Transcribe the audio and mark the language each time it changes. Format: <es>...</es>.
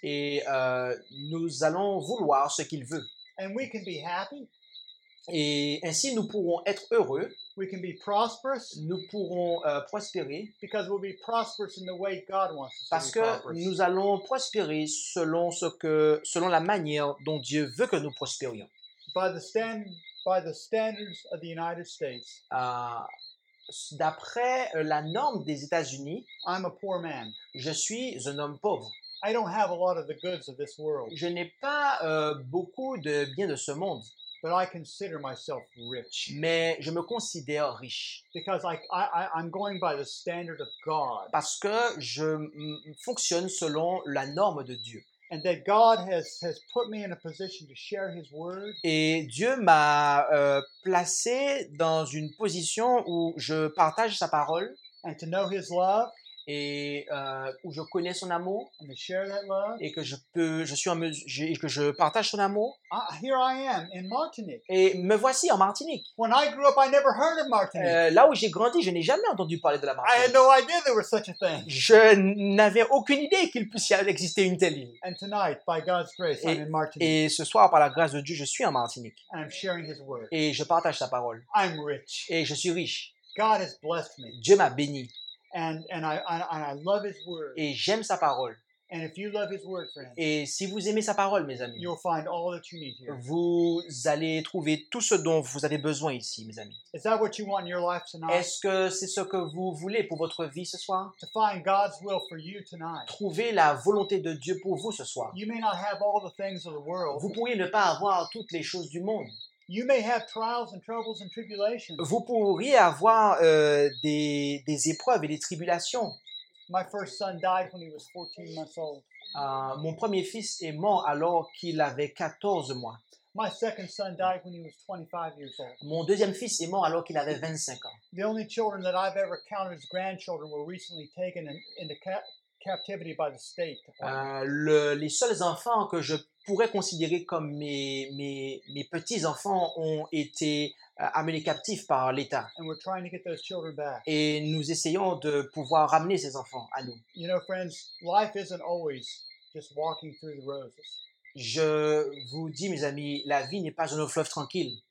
<fr>Et nous allons vouloir ce qu'il veut.</fr> <en>And we can be happy.</en> <fr>Et ainsi nous pourrons être heureux.</fr> <en>We can be prosperous.</en> <fr>Nous pourrons prospérer.</fr> <en>Because we'll be prosperous in the way God wants us to be prosperous.</en> <fr>Parce que nous allons prospérer selon la manière dont Dieu veut que nous prospérions.</fr> <en>By the standard by the standards of the United States.</en> <fr>D'après la norme des États-Unis,</fr> <en>I'm a poor man.</en> <fr>Je suis un homme pauvre.</fr> <en>I don't have a lot of the goods of this world.</en> <fr>Je n'ai pas beaucoup de biens de ce monde.</fr> <en>But I consider myself rich.</en> <fr>Mais je me considère riche.</fr> <en>Because I'm going by the standard of God.</en> <fr>Parce que je fonctionne selon la norme de Dieu.</fr> <en>And that God has put me in a position to share His word.</en> <fr>Et Dieu m'a placé dans une position où je partage Sa parole.</fr> <en>And to know His love.</en> <fr>Et où je connais Son amour.</fr> <en>And to share that love.</en> <fr>Et que je partage Son amour.</fr> <en>Here I am in Martinique.</en> <fr>Et me voici en Martinique.</fr> <en>When I grew up, I never heard of Martinique.</en> <fr>Là où j'ai grandi, je n'ai jamais entendu parler de la Martinique.</fr> <en>I had no idea there was such a thing.</en> <fr>Je n'avais aucune idée qu'il puisse y exister une telle île.</fr> <en>And tonight, by God's grace, I'm in Martinique.</en> <fr>Et ce soir, par la grâce de Dieu, je suis en Martinique.</fr> <en>And I'm sharing His word.</en> <fr>Et je partage Sa parole.</fr> <en>I'm rich.</en> <fr>Et je suis riche.</fr> <en>God has blessed me.</en> <fr>Dieu m'a béni.</fr> <en>And I love His word.</en> <fr>Et j'aime Sa parole.</fr> <en>And if you love His word, friend,</en> <fr>et si vous aimez Sa parole, mes amis,</fr> <en>you'll find all that you need here.</en> <fr>Vous allez trouver tout ce dont vous avez besoin ici, mes amis.</fr> <en>Is that what you want in your life tonight?</en> <fr>Est-ce que c'est ce que vous voulez pour votre vie ce soir?</fr> <en>To find God's will for you tonight.</en> <fr>Trouver la volonté de Dieu pour vous ce soir.</fr> <en>You may not have all the things of the world.</en> <fr>Vous pourriez ne pas avoir toutes les choses du monde.</fr> <en>You may have trials and troubles and tribulations.</en> <fr>Vous pourriez avoir des épreuves et des tribulations.</fr> <en>My first son died when he was 14 months old.</en> <fr>Mon premier fils est mort alors qu'il avait 14 mois.</fr> <en>My second son died when he was 25 years old.</en> <fr>Mon deuxième fils est mort alors qu'il avait 25 ans.</fr> <en>The only children that I've ever counted as grandchildren were recently taken into captivity by the state.</en> <fr>Les seuls enfants que je pourrait considérer comme mes petits-enfants ont été amenés captifs par l'État.</fr> <en>And we're trying to get those children back.</en> <fr>Et nous essayons de pouvoir ramener ces enfants à nous.</fr> <en>You know, friends, life isn't always just walking through the roses.</en> <fr>Je vous dis, mes amis, la vie n'est pas un fleuve tranquille.</fr>